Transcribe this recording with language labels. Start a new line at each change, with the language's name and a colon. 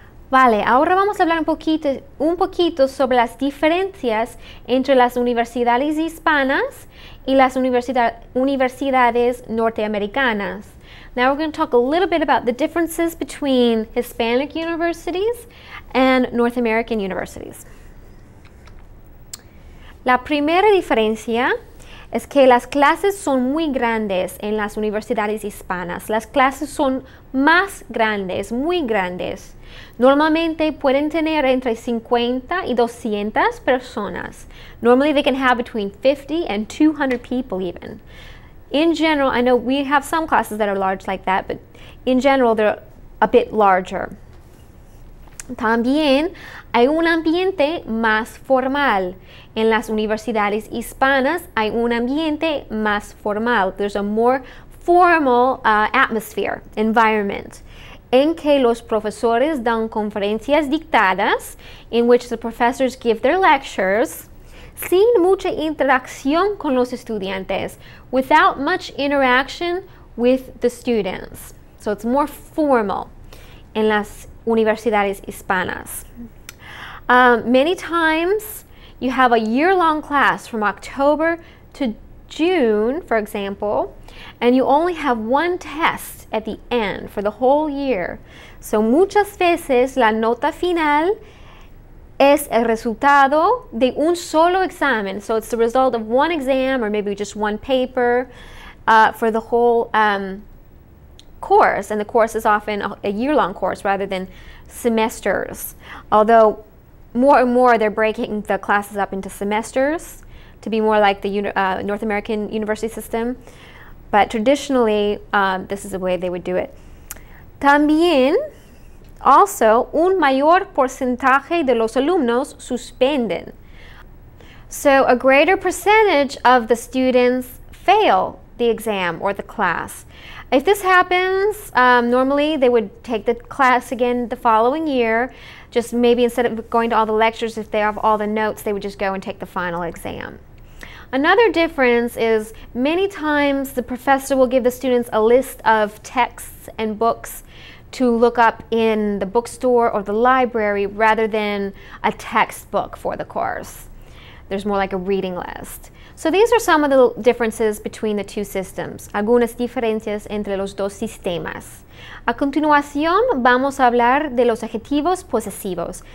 Spanish: Vale, ahora vamos a hablar un poquito sobre las diferencias entre las universidades hispanas y las universidades norteamericanas.
English: Now we're going to talk a little bit about the differences between Hispanic universities and North American universities.
Spanish: La primera diferencia es que las clases son muy grandes en las universidades hispanas. Las clases son más grandes, muy grandes. Normalmente pueden tener entre 50 y 200 personas.
English: Normally they can have between 50 and 200 people even. In general, I know we have some classes that are large like that, but in general they're a bit larger.
Spanish: También hay un ambiente más formal. En las universidades hispanas hay un ambiente más formal.
English: There's a more formal atmosphere, environment,
Spanish: en que los profesores dan conferencias dictadas,
English: in which the professors give their lectures,
Spanish: sin mucha interacción con los estudiantes,
English: without much interaction with the students. So it's more formal
Spanish: en las universidades hispanas.
English: Many times you have a year-long class from October to June, for example, and you only have one test at the end for the whole year. So
Spanish: muchas veces la nota final es el resultado de un solo examen.
English: So it's the result of one exam or maybe just one paper for the whole course. And the course is often a year-long course rather than semesters. Although more and more they're breaking the classes up into semesters to be more like the North American university system. But traditionally, this is the way they would do it.
Spanish: También,
English: also,
Spanish: un mayor porcentaje de los alumnos suspenden.
English: So a greater percentage of the students fail the exam or the class. If this happens, normally they would take the class again the following year, just maybe instead of going to all the lectures, if they have all the notes, they would just go and take the final exam. Another difference is many times the professor will give the students a list of texts and books to look up in the bookstore or the library rather than a textbook for the course. There's more like a reading list. So these are some of the differences between the two systems.
Spanish: Algunas diferencias entre los dos sistemas. A continuación, vamos a hablar de los adjetivos posesivos.